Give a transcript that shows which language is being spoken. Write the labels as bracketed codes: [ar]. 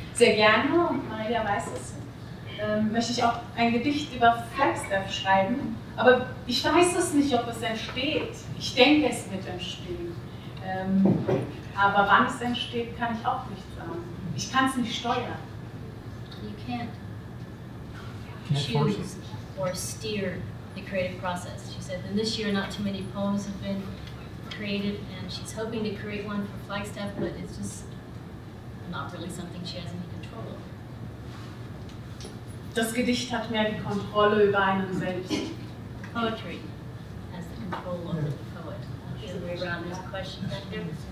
[de] Sehr gerne, und Maria weiß es, möchte ich auch ein Gedicht über Flagstaff schreiben. Aber ich weiß es nicht, ob es entsteht. Ich denke, es wird entstehen. Aber wann es entsteht, kann ich auch nicht sagen. Ich kann es nicht steuern. [en] You can't choose or steer the creative process. She said, and this year not too many poems have been created, and she's hoping to create one for Flagstaff, but it's just not really something she has any control over. Das Gedicht hat mehr die Kontrolle über einen selbst. Poetry has the control over the poet. The other way around, there's a question back there.